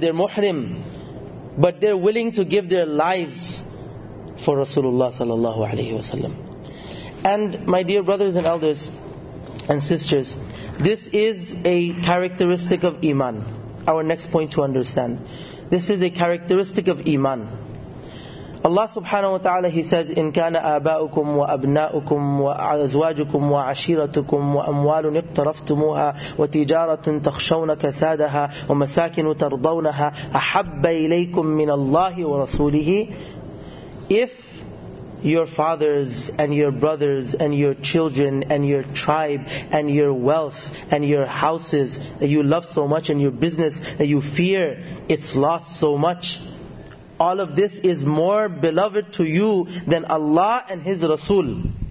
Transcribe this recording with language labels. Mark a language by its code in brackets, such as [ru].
[en] They're muhrim, but they're willing to give their lives for Rasulullah sallallahu alaihi wasallam. And my dear brothers and elders and sisters, this is a characteristic of iman. Our next point to understand. This is a characteristic of iman. [ar] Allah subhanahu wa ta'ala, [en] He says, [ar] إِنْ كَانَ آبَاؤُكُمْ وَأَبْنَاؤُكُمْ وَأَزْوَاجُكُمْ وَعَشِيرَتُكُمْ وَأَمْوَالٌ اقْتَرَفْتُمُوهَا وَتِجَارَةٌ تَخْشَوْنَ كَسَادَهَا وَمَسَاكِنُ تَرْضَوْنَهَا أَحَبَّ إِلَيْكُمْ مِنَ اللَّهِ وَرَسُولِهِ. [en] If your fathers and your brothers and your children and your tribe and your wealth and your houses that you love so much and your business that you fear, it's lost so much. All of this is more beloved to you than Allah and His Rasul.